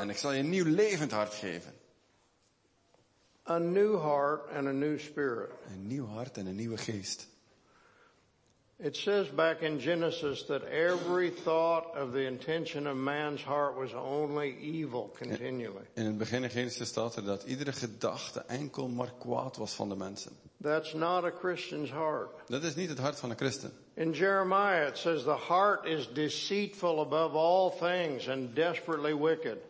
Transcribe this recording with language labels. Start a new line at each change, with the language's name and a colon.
Dutch: En ik zal je een nieuw levend hart geven.
English: A new heart and a new spirit.
Dutch: Een nieuw hart en een nieuwe geest.
English: It says back in Genesis that every thought of the intention of man's heart was only evil continually.
Dutch: In het begin in Genesis staat er dat iedere gedachte enkel maar kwaad was van de mensen.
English: That's not a Christian's heart.
Dutch: Dat is niet het hart van een christen.
English: In Jeremiah it says the heart is deceitful above all things and desperately wicked.